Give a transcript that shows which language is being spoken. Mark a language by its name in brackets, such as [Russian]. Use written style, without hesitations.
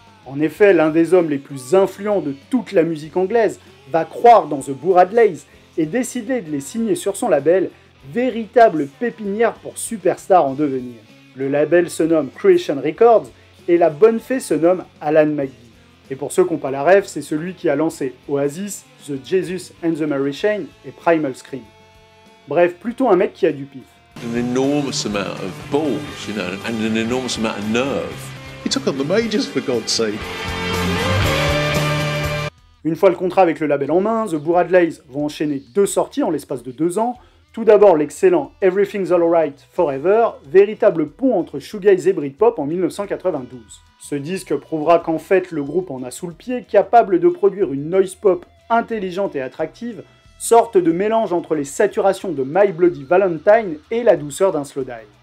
[French] En effet, l'un des hommes les plus influents de toute la musique anglaise va croire dans The Bradleys et décider de les signer sur son label, véritable pépinière pour superstars en devenir. Le label se nomme Creation Records et la bonne fée se nomme Alan McGee. Et pour ceux qui n'ont pas la rêve, c'est celui qui a lancé Oasis, The Jesus and the Mary Chain et Primal Scream. Bref, plutôt un mec qui a du pif. [English] An enormous amount of balls, you know, and an enormous amount of nerve. He took on the majors, for God's sake. [French] Une fois le contrat avec le label en main, The Bradleys vont enchaîner deux sorties en l'espace de deux ans. Tout d'abord l'excellent Everything's Alright Forever, véritable pont entre shoegaze et Britpop en 1992. Ce disque prouvera qu'en fait le groupe en a sous le pied, capable de produire une noise pop intelligente et attractive, sorte de mélange entre les saturations de My Bloody Valentine et la douceur d'un slow dive.